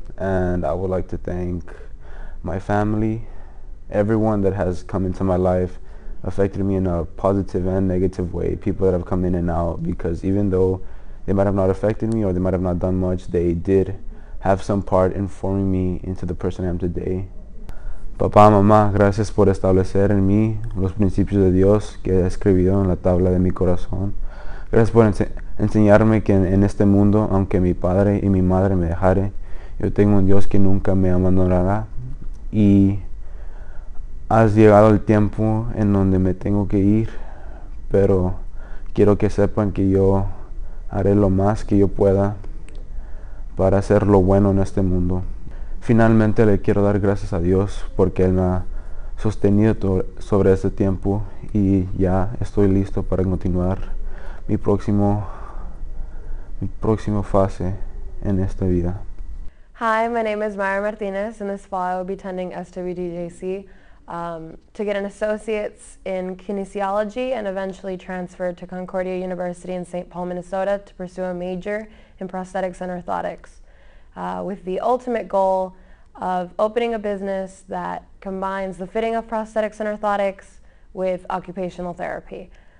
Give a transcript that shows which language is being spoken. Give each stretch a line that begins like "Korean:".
English: And I would like to thank my family, everyone that has come into my life, affected me in a positive and negative way, people that have come in and out, because even though they might have not affected me or they might have not done much, they did have some part in forming me into the person I am today.
Spanish: Papá, mamá, gracias por establecer en mí los principios de Dios que he escrito en la tabla de mi corazón. Gracias por enseñarme que en este mundo, aunque mi padre y mi madre me dejare, yo tengo un Dios que nunca me abandonará. Y has llegado el tiempo en donde me tengo que ir, pero quiero que sepan que yo haré lo más que yo pueda para hacer lo bueno en este mundo. Finalmente le quiero dar gracias a Dios porque Él me ha sostenido sobre este tiempo y ya estoy listo para continuar mi próximo fase en esta vida.
English: Hi, my name is Mayra Martinez, and this fall I will be attending SWDJC to get an associate's in kinesiology and eventually transfer to Concordia University in St. Paul, Minnesota to pursue a major in prosthetics and orthotics with the ultimate goal of opening a business that combines the fitting of prosthetics and orthotics with occupational therapy.